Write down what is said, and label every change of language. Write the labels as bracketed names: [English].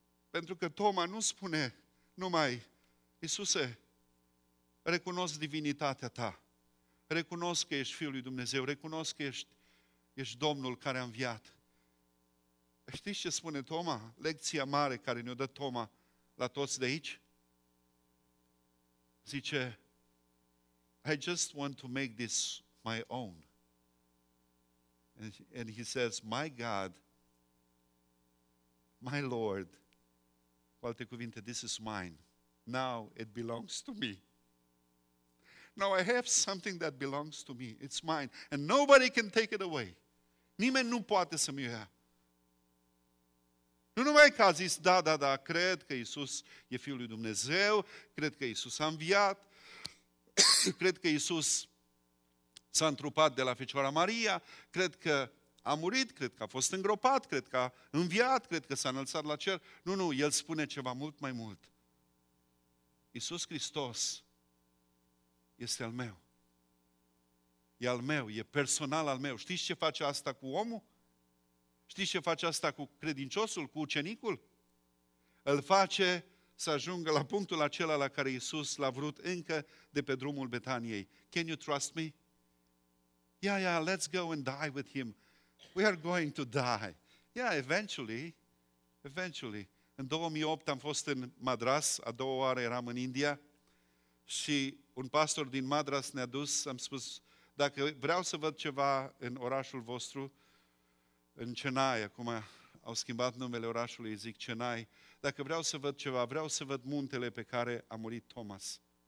[Romanian] Pentru că Toma nu spune numai, Iisuse, recunosc divinitatea ta, recunosc că ești Fiul lui Dumnezeu, recunosc că ești Domnul care a înviat. Știți ce spune Toma? Lecția mare care ne-o dă Toma la toți de aici? Zice, [English] I just want to make this my own. And he says, my God, my Lord, [Romanian] cu alte cuvinte, [English] this is mine. Now it belongs to me. Now I have something that belongs to me. It's mine. And nobody can take it away. [Romanian] Nimeni nu poate să-mi ia. Nu numai că a zis, da, cred că Iisus e Fiul lui Dumnezeu, cred că Iisus a înviat, cred că Iisus s-a întrupat de la Fecioara Maria, cred că a murit, cred că a fost îngropat, cred că a înviat, cred că s-a înălțat la cer. Nu, El spune ceva mult mai mult. Iisus Hristos este al meu. E al meu, e personal al meu. Știți ce face asta cu omul? Știți ce face asta cu credinciosul, cu ucenicul? Îl face să ajungă la punctul acela la care Iisus l-a vrut încă de pe drumul Betaniei. [English] Can you trust me? Yeah, let's go and die with him. We are going to die. Yeah, eventually. [Romanian] În 2008 am fost în Madras, a doua oară eram în India și un pastor din Madras ne-a dus, am spus, dacă vreau să văd ceva în orașul vostru, în Chennai, acum au schimbat numele orașului, zic Chennai, dacă vreau să văd ceva, vreau să văd muntele pe care a murit Thomas.